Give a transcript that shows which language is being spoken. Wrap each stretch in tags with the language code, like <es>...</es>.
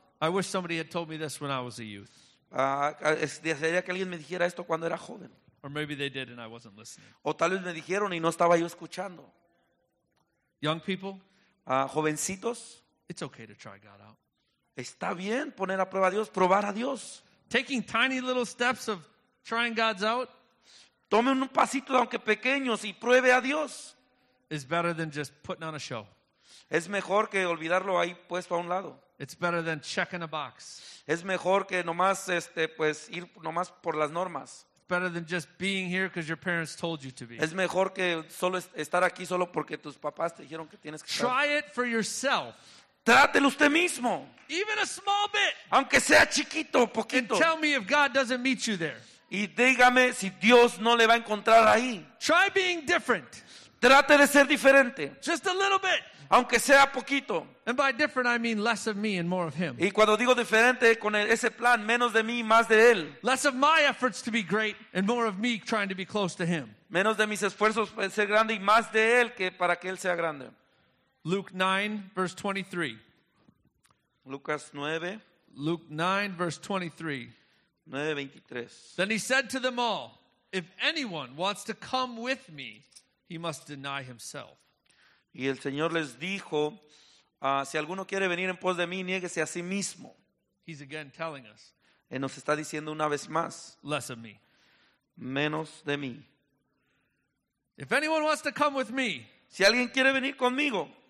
<en>I wish somebody had told me this when I was a youth.</en> <es>Desearía que alguien me dijera esto cuando era joven.</es> <en>Or maybe they did and I wasn't listening.</en> <es>O tal vez me dijeron y no estaba yo escuchando.</es> <en>Young people,</en> <es>jovencitos,</es> <en>it's okay to try God out.</en> <es>Está bien poner a prueba a Dios, probar a Dios.</es> <en>Taking tiny little steps of trying God's out.</en> <es>Tome un pasito aunque pequeños y pruebe a Dios.</es> <en>Is better than just putting on a show.</en> <es>Es mejor que olvidarlo ahí puesto a un lado.</es> <en>It's better than checking a box.</en> <es>Es mejor que nomás pues ir nomás por las normas.</es> <en>It's better than just being here because your parents told you to be.</en> <es>Es mejor que solo estar aquí solo porque tus papás te dijeron que tienes que estar.</es> <en>Try it for yourself.</en> <es>Trátelo usted mismo.</es> <en>Even a small bit.</en> <es>Aunque sea chiquito, poquito.</es> <en>And tell me if God doesn't meet you there.</en> <es>Y dígame si Dios no le va a encontrar ahí.</es> <en>Try being different.</en> <es>Trate de ser diferente.</es> <en>Just a little bit.</en> <es>Aunque sea poquito.</es> <en>And by different I mean less of me and more of him.</en> <es>Y cuando digo diferente con ese plan, menos de mí, más de él.</es> <en>Less of my efforts to be great and more of me trying to be close to him.</en> <es>Menos de mis esfuerzos para ser grande y más de él que para que él sea grande.</es> <en>Luke 9 verse 23.</en> <es>Lucas 9.</es> <en>Luke 9 verse 23.</en> <es>9:23.</es> <en>Then he said to them all, if anyone wants to come with me, he must deny himself.</en> <es>Y el Señor les dijo, si alguno quiere venir en pos de mí, niéguese a sí mismo.</es> <en>He's again telling us.</en> <es>Él nos está diciendo una vez más.</es> <en>Less of me.</en> <es>Menos de mí.</es> <en>If anyone wants to come with me,</en> <es>si alguien quiere venir conmigo,</es>